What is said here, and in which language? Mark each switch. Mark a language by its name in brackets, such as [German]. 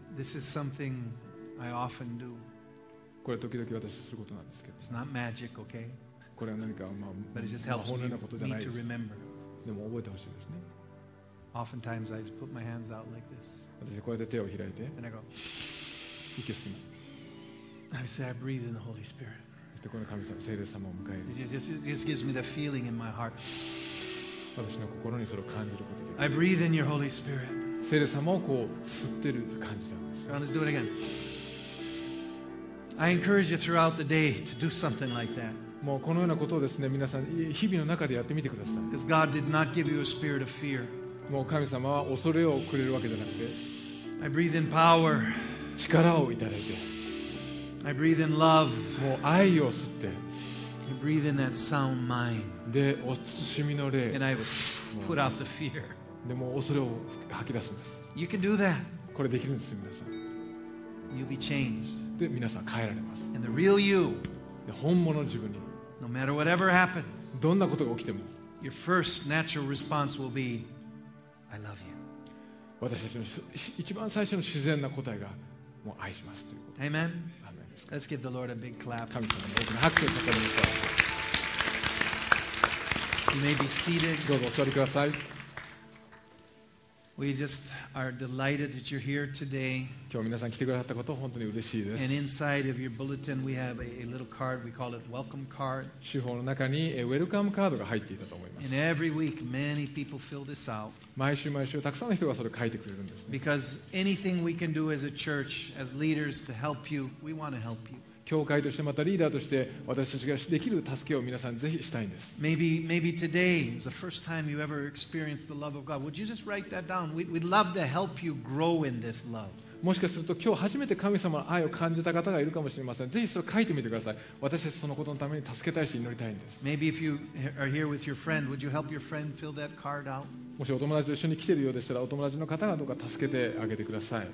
[English] This is something I often do. [Japanese] これは時々私することなんですけど。 [English] It's not magic, okay? [Japanese] これは何かまあ [English] But it just helps [Japanese] 魔法のようなことじゃないです。 [English] Me to remember. [Japanese] でも覚えてほしいですね。 [English] Oftentimes I just put my hands out like this. [Japanese] 私こうやって手を開いて。 [English] And I go. [Japanese] 息を吸います。 [English] I say I breathe in the Holy Spirit. [Japanese] そしてこの神様、聖霊様を迎える。 [English] It just gives me the feeling in my heart. [Japanese] 私の心にそれを感じることができ [English] る。I breathe in your Holy Spirit. [Japanese] 聖霊様をこう吸ってる感じなんです。 [English] Let's do it again. I encourage you throughout the day to do something like that. [Japanese] もうこのようなことをですね、皆さん日々の中でやってみてください。 [English] Because God did not give you a spirit of fear. [Japanese] もう神様は恐れをくれるわけじゃなくて、 [English] I breathe in power. [Japanese] 力をいただいて、 [English] I breathe in love. [Japanese] もう愛を吸って。 [English] I breathe in that sound mind. [Japanese] で、お慎みの霊。 [English] And I put out the fear. [Japanese] でも恐れを吐き出すんです。 [English] You can do that. [Japanese] これできるんです、皆さん。 [English] You'll be changed. [Japanese] で、皆さん変えられます。 [English] And the real you. [Japanese] で、本物の自分に。 [English] No matter whatever happens. [Japanese] どんなことが起きても。 [English] Your first natural response will be, I love you. [Japanese] 私たちの一番最初の自然な答えが、もう愛しますということ。 [English] Amen. Let's give the Lord a big clap. [Japanese] 神様に大きな拍手をかけてください。 [English] You may be seated. [Japanese] どうぞお座りください。 [English] We just are delighted that you're here today. [Japanese] 今日皆さん来てくださったこと本当に嬉しいです。 [English] And inside of your bulletin, we have a little card. We call it welcome card. [Japanese] 手法の中にウェルカムカードが入っていたと思います。 [English] And every week, many people fill this out. [Japanese] 毎週毎週たくさんの人がそれを書いてくれるんですね。 [English] Because anything we can do as a church, as leaders, to help you, we want to help you. [Japanese] 教会としてまたリーダーとして私たちができる助けを皆さんぜひしたいんです。 [English] Maybe today is the first time you ever experienced the love of God. Would you just write that down? We'd love to help you grow in this love. [Japanese] もしかすると今日初めて神様の愛を感じた方がいるかもしれません。ぜひそれを書いてみてください。私たちそのことのために助けたいし祈りたいんです。 [English] Maybe if you are here with your friend, would you help your friend fill that card out? [Japanese] もしお友達と一緒に来ているようでしたら、お友達の方がどうか助けてあげてください。